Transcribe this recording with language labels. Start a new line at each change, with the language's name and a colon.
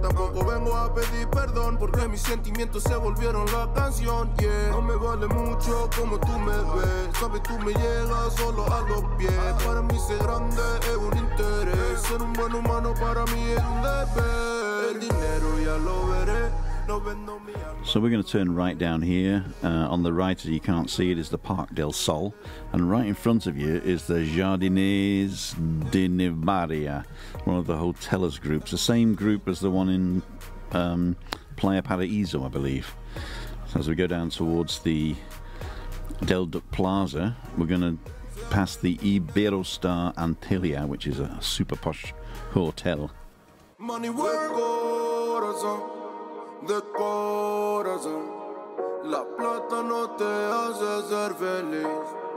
Spanish: Tampoco vengo a pedir perdón, porque mis sentimientos se volvieron la canción. Yeah, no me vale mucho como tú me ves. Sabes, tú me llegas solo a los pies. Para mí ser grande es un interés. Ser un buen humano para mí es un deber. El dinero ya lo veré.
English: So we're going to turn right down here. On the right, as you can't see it, is the Parc del Sol. And right in front of you is the Jardines de Nivaria, one of the hotelers groups. The same group as the one in Playa Paraíso, I believe. So as we go down towards the Del Duc Plaza, we're going to pass the Iberostar Antilia, which is a super posh hotel. Money work,
Spanish: corazón. De corazón, la plata no te hace ser feliz.